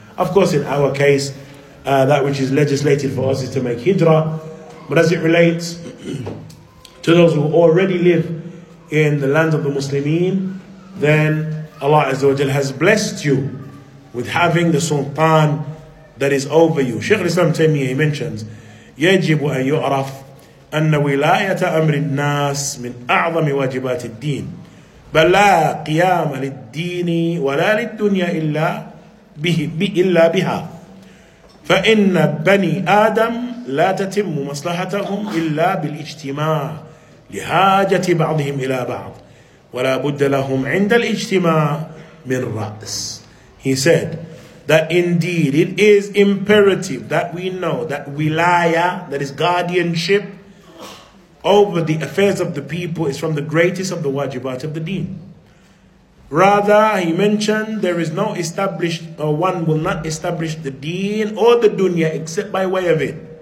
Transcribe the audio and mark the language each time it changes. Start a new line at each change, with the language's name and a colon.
English: Of course, in our case, that which is legislated for us is to make hijrah. But as it relates to those who already live in the land of the Muslimin, then Allah Azza wa Jal has blessed you with having the sultan that is over you.
Arabic: Shaykh al-Islam Taymiyyah,
English: he mentions,
Arabic: يجب أن يعرف أن ولاية أمر الناس من أعظم واجبات الدين بل لا قيام للدين ولا للدنيا إلا به إلا بها فإن بني آدم لا تتم مصلحتهم إلا بالاجتماع لحاجة بعضهم إلى بعض ولا بد لهم عند الاجتماع من رأس.
English: He said that indeed it is imperative that we know that wilaya, that is guardianship over the affairs of the people, is from the greatest of the wajibat of the deen. Rather, he mentioned, there is no established, or one will not establish the deen or the dunya except by way of it.